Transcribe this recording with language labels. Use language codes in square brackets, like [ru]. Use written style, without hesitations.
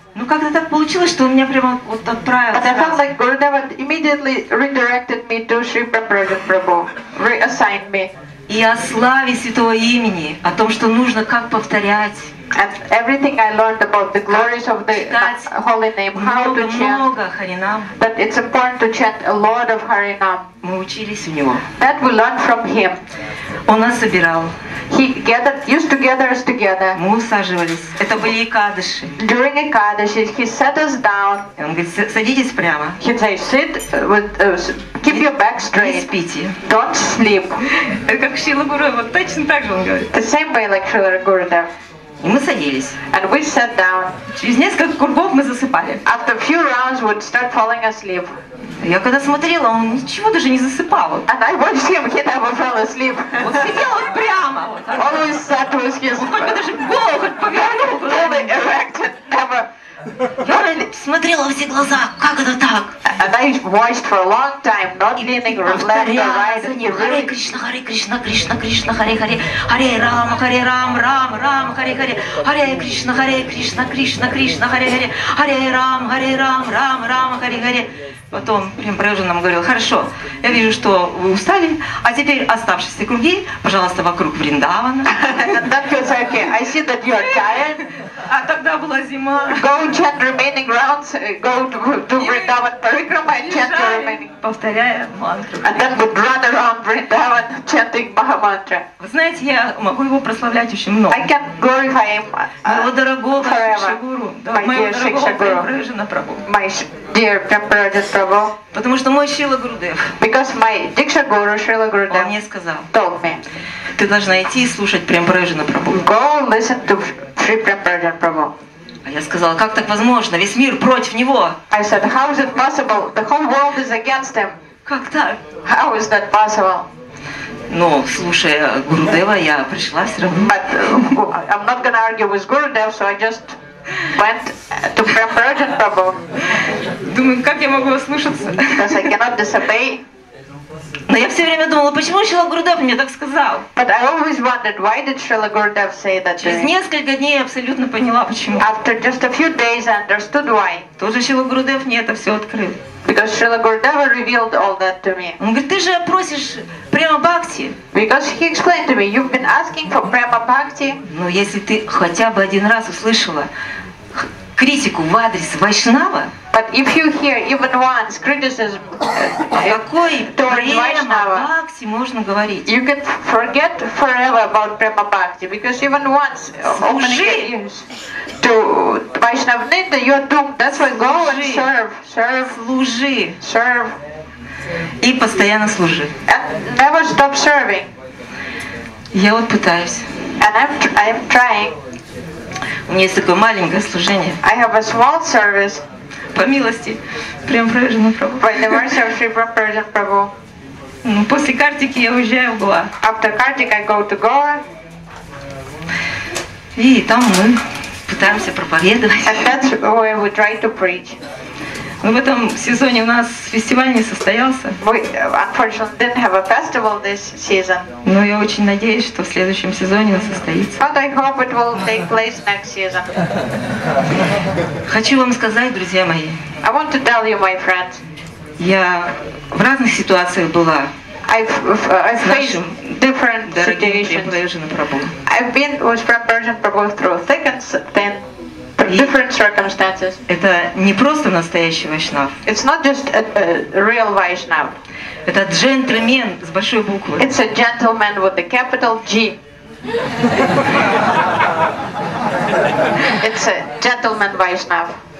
[ru] Ну как-то так получилось, что он меня прямо вот отправил. [en] And I felt like Gurudev immediately redirected me to Sri Prabhupada Prabhu, reassigned me. [ru] И о славе святого имени, о том, что нужно как повторять. [en] And everything I learned about the glories of the holy name, how to chant, that it's important to chant a lot of Harinam. [ru] Мы учились у него. [en] That we learned from him. [ru] Он нас собирал. [en] He used to gather us together. [ru] Мы усаживались. Это были икадыши. [en] During икадыши, he set us down. [ru] Он говорит, садитесь прямо. [en] He'd say, sit with, keep your back straight. [ru] Не спите. [en] Don't sleep. [ru] Как Шрила Гурудев, вот точно так же он говорит. [en] The same way like Шрила Гурудев. [ru] И мы садились. [en] And we sat down. [ru] Через несколько кругов мы засыпали. [en] After a few rounds, we'd start falling asleep. [ru] Я когда смотрела, он ничего даже не засыпал. [en] And I watched him, he never fell asleep. [ru] Он сидел вот прямо. [en] Always sat with his... [ru] Он хоть бы даже голову хоть повернул. [en] Fully erected, never. [ru] Я смотрела во все глаза, как это так? [en] And I watched for a long time, not leaning left or right. [sa] Харе Кришна, Харе Кришна, Кришна Кришна, Харе Харе, Харе Рама, Харе Рам, Рам Рам, Харе Харе, Харе Кришна, Харе Кришна, Кришна Кришна, Харе Харе, Харе Рам, Харе Рам, Рам Рам, Харе Харе. [ru] Потом прям Прабхупада нам говорил, хорошо, я вижу, что вы устали, а теперь оставшиеся круги, пожалуйста, вокруг Вриндавана. [en] That feels okay. I see that you are tired. [ru] А тогда была зима. [en] Go chant remaining rounds, go to Vrindavan Parikrama and chant the remaining. [ru] Повторяя мантру. [en] And then would run around Vrindavan chanting Mahamantra. [ru] Вы знаете, я могу его прославлять очень много. [en] I can glorify him forever. [ru] Моего дорогого Шикшагуру. [en] My dear Шикшагуру. [ru] Потому что мой Шрила Гурудев. [en] Because my Diksha Guru Shrila Gurudev. [ru] Он мне сказал. [en] Told me. [ru] Ты должна идти и слушать Прембраджана Прабху. [en] Go listen to Sri Prembraja Prabhu. [ru] А я сказала, как так возможно? Весь мир против него. [en] I said, how is it possible? The whole world is against him. [ru] Как так? [en] How is that possible? [ru] Но слушая Гурудева, я пришла все равно. [en] But I'm not gonna argue with Gurudev, so I just went to Prembraja Prabhu. [ru] Думаю, как я могу ослушаться? [en] Because I cannot disobey. [ru] Но я все время думала, почему Шрила Гурудев мне так сказал? [en] But I always wondered, why did Shrila Gurudev say that? [ru] Через несколько дней я абсолютно поняла, почему. [en] After just a few days, I understood why. [ru] Тоже Шрила Гурудев мне это все открыл. [en] Because Shrila Gurudev revealed all that to me. [ru] Он говорит, ты же просишь Према Бхакти. [en] Because he explained to me, you've been asking for Према Бхакти. [ru] Ну, если ты хотя бы один раз услышала критику в адрес Вайшнава. [en] But if you hear even once criticism towards Vaishnava, Bhakti, [ru] можно говорить. [en] You can forget forever about Prema Bhakti, because even once opening your ears to Vaishnava Nitya, you are doomed. That's why go and serve. [ru] Служи. [en] Serve. [ru] И постоянно служи. [en] And never stop serving. [ru] Я вот пытаюсь. [en] And I'm trying. [ru] У меня есть такое маленькое служение. [en] I have a small service. [ru] По милости, прям Прабху. [en] By the mercy of Sri Prabhupada Prabhu. [ru] Ну, после Картики я уезжаю в Гоа. [en] After Kartik I go to Goa. [ru] И там мы пытаемся проповедовать. [en] And that's where we try to preach. [ru] Но в этом сезоне у нас фестиваль не состоялся. [en] We unfortunately didn't have a festival this season. [ru] Но я очень надеюсь, что в следующем сезоне он состоится. [en] But I hope it will take place next season. [ru] Хочу вам сказать, друзья мои. [en] I want to tell you, my friends. [ru] Я в разных ситуациях была. [en] I've faced different situations. I've been with Persian Prabhu through thick and thin. Different circumstances. [ru] Это не просто настоящий вайшнав. [en] It's not just a real Vaishnav. [ru] Это джентльмен с большой буквы. [en] It's a gentleman with a capital G. It's a gentleman Vaishnav.